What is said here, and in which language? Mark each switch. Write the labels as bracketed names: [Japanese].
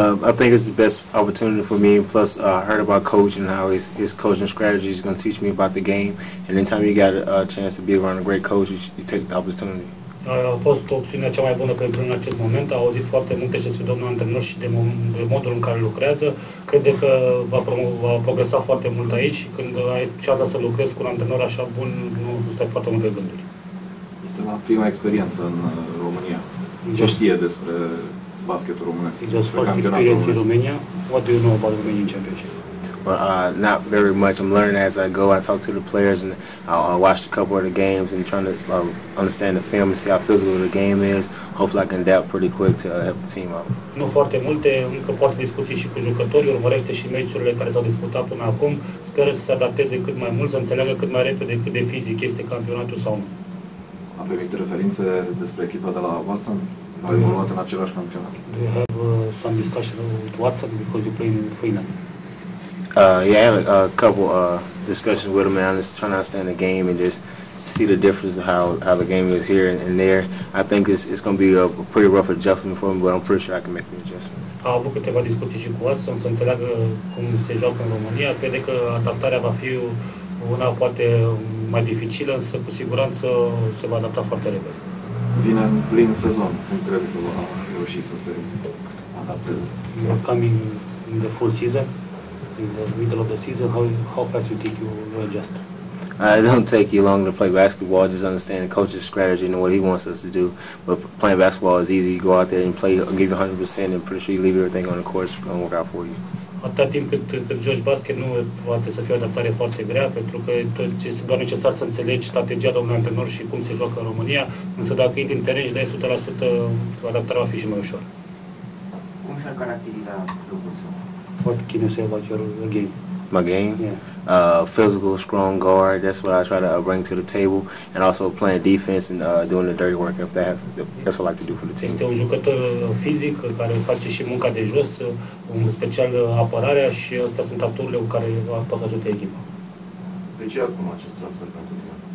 [English] I think it's the best opportunity for me. Plus, I heard about Coach and how his coaching strategy is going to teach me about the game. And anytime you got a chance to be around a great coach, you take the opportunity. [Romanian] A fost opțiunea cea mai bună pentru în acest moment. A auzit foarte multe despre domnul antrenor și de modul în care lucrează. Crede că va progresa foarte mult aici și când ai șansa să lucrezi cu un antrenor așa bun, nu stai foarte multe gânduri. Este la prima experiență în România. Ce știe despre basketul românesc? [English] Just first experience in Romania. What do you know about Romanian championship? Not very much. I'm learning as I go. I talk to the players and I watch a couple of the games and trying to understand the film and see how physical the game is. Hopefully I can adapt pretty quick to help the team out. [Romanian] Nu foarte multe, încă poate discuți și cu jucătorii, urmărește și meciurile care s-au disputat până acum. Speră să se adapteze cât mai mult, să înțeleagă cât mai repede cât de fizic este campionatul sau nu. A primit referințe despre echipa de la Watson? A evoluat în același campionat. [English] Do you have some discussion with Watson because you play in Finland? Yeah, I had a couple discussions with him, and I was trying to understand the game and just see the difference of how the game is here and there. I think it's going to be a pretty rough adjustment for him, but I'm pretty sure I can make the adjustment. [Romanian] A avut câteva discuții și cu Watson să înțeleagă cum se joacă în România. Crede că adaptarea va fi una poate mai dificilă, însă cu siguranță se va adapta foarte repede. Vine în plin sezon. Cum crede că va reuși să se adapteze? [English] You're coming in the full season. In the middle of the season, how fast you think you adjust? It don't take you long to play basketball. Just understand the coach's strategy and what he wants us to do. But playing basketball is easy. You go out there and play, give you 100%, and pretty sure you leave everything on the court. It's gonna work out for you. [Romanian] Atât timp cât joci basket, nu poate să fie o adaptare foarte grea, pentru că este doar necesar să înțelegi strategia domnului antrenor și cum se joacă în România. Însă dacă intri în teren și dai 100%, adaptarea va fi și mai ușor. Cum și-ar caracteriza jocul său? [English] What can you say about your game? My game? Yeah. Physical, strong guard, that's what I try to bring to the table. And also playing defense and doing the dirty work, if that's what I like to do for the team. [Romanian] Este un jucător fizic care face și munca de jos, un special apărarea și astea sunt atuturile cu care poate ajuta echipa. De ce acum acest transfer pentru tine?